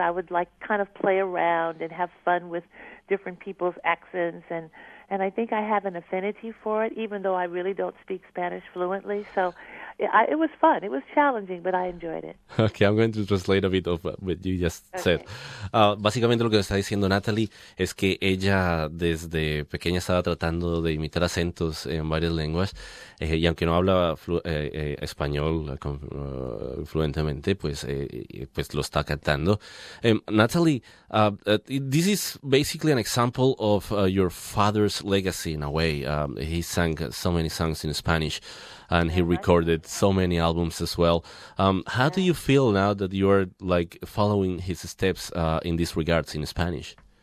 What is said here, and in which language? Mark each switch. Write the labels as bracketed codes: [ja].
[en] I would like kind of play around and have fun with different people's accents, and I think I have an affinity for it, even though I really don't speak Spanish fluently. So it was fun. It was challenging, but I enjoyed it. Okay, I'm going to translate a bit of what you just okay. said. [es] Básicamente lo que está diciendo Natalie es que ella desde pequeña estaba tratando de imitar acentos en varias lenguas, y aunque no habla español fluentemente, pues lo está cantando. [en] Natalie, this is basically an example of your father's legacy in a way. He sang so many songs in Spanish, and he recorded so many albums as well. How do you feel now that you are like following his steps in these regards in Spanish?